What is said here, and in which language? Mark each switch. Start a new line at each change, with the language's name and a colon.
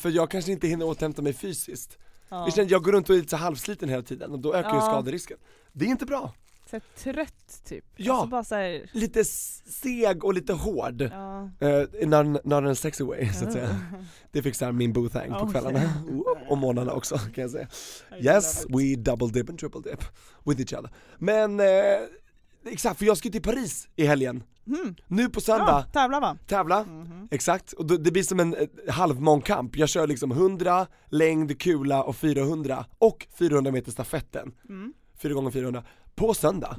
Swedish: För jag kanske inte hinner återhämta mig fysiskt. Ja. Jag går runt och är lite så halvsliten hela tiden. Och då ökar ju skaderisken. Det är inte bra. Så trött typ. Ja, alltså bara så här... lite seg och lite hård. Ja.
English: Not in a sexy way,
Swedish: så att säga. Det fixar min boothang på kvällarna. Och månaderna också, kan jag säga.
English: Yes, we double dip and triple dip with each other.
Swedish: Men... exakt, för jag ska till Paris i helgen. Mm. Nu på söndag. Ja, tävla va? Tävla, exakt. Och det blir som en halvmånkamp. Jag kör liksom 100, längd, kula och 400. Och 400 meter stafetten. Mm. 4 gånger 400. På söndag.